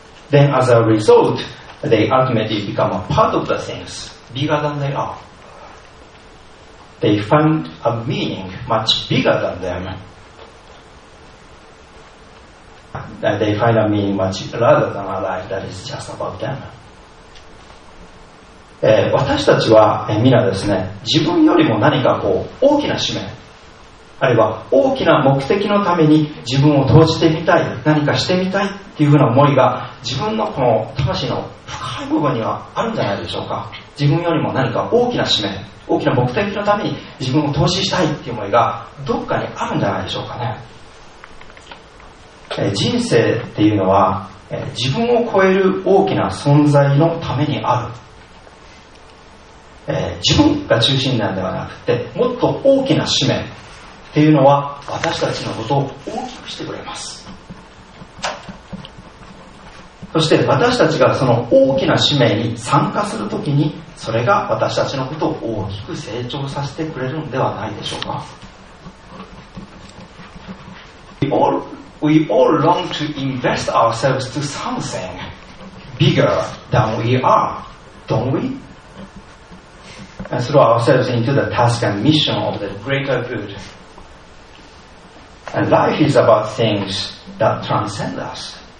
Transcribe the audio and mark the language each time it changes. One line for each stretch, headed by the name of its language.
English: Then as a result, they ultimately become a part of the things bigger than they are. They find a meaning much bigger than them. They find a meaning much rather than a life that is just about them.
Japanese: 私たちは皆ですね、自分よりも何かこう大きな使命、あるいは大きな目的のために自分を投じてみたい、何かしてみたいっていうふうな思いが自分のこの魂の深い部分にはあるんじゃないでしょうか。自分よりも何か大きな使命、大きな目的のために自分を投資したいっていう思いがどっかにあるんじゃないでしょうかね。人生っていうのは自分を超える大きな存在のためにある。自分が中心なんではなくて、もっと大きな使命っていうのは私たちのことを大きくしてくれます。そして私たちがその大きな使命に参加するときに、それが私たちのことを大きく成長させてくれるのではないでしょうか。
English: We all long to invest ourselves to something bigger than we are, don't we? And throw ourselves into the task and mission of the greater good. And life is about things that transcend us.